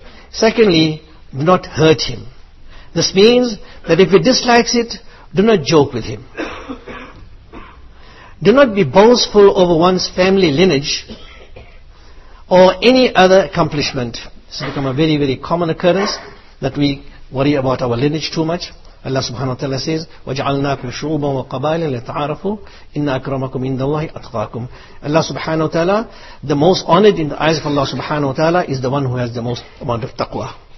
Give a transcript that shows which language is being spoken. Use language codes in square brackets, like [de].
[en] Secondly, do not hurt him. This means that if he dislikes it, do not joke with him. Do not be boastful over one's family lineage or any other accomplishment. This has become a very, very common occurrence that we worry about our lineage too much. Allah subhanahu wa ta'ala says, [ar] وَجَعَلْنَاكُمْ شُعُوبًا وَقَبَائِلًا لِتَعَارَفُوا إِنَّ أَكْرَمَكُمْ إِنَّ اللَّهِ أَتْقَاكُمْ. [en] Allah subhanahu wa ta'ala, the most honored in the eyes of Allah subhanahu wa ta'ala is the one who has the most amount of taqwa.